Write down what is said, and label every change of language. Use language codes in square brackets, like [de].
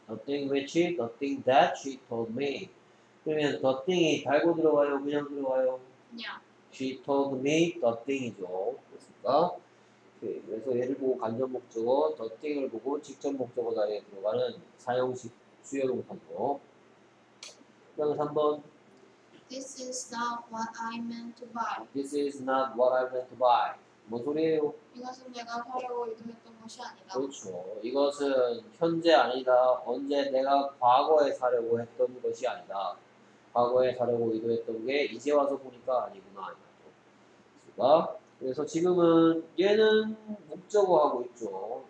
[en] The thing that she told me. [ko] 그러면 [en] the thing이 [ko] 달고 들어가요? 그냥 들어가요? [en] Yeah. She told me the thing이죠. [ko] 됐습니까? 네, 그래서 예를 보고 간접 목적어, the thing을 보고 직접 목적어 자리에 들어가는 사용식 수요 동사죠. 그다음에 3번. [en] This is not what I meant to buy. This is not what I meant to buy. [ko] 뭔 소리예요? 이것은 내가 사려고 의도했던 것이 아니다. 그렇죠. 이것은 현재 아니다. 언제 내가 과거에 사려고 했던 것이 아니다. 과거에 사려고 의도했던 게 이제 와서 보니까 아니구나. 그래서 지금은 얘는 목적어하고 있죠.